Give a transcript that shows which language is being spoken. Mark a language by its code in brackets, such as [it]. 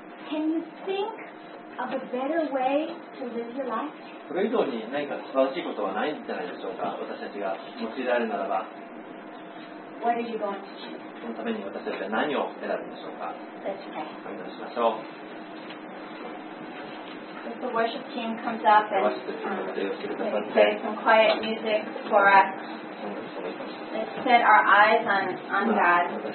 [en] Can you think of a better way to live your life? [ja] それ以上に何か素晴らしいことはないんじゃないでしょうか。私たちが用いられるならば。 [en] What are you going to choose? [ja] そのために私たちは何を選ぶんでしょうか。 [en] Let's pray. [ja] 祈りしましょう。 [en] The worship team comes up and play some quiet music for us. Let's set our eyes on God.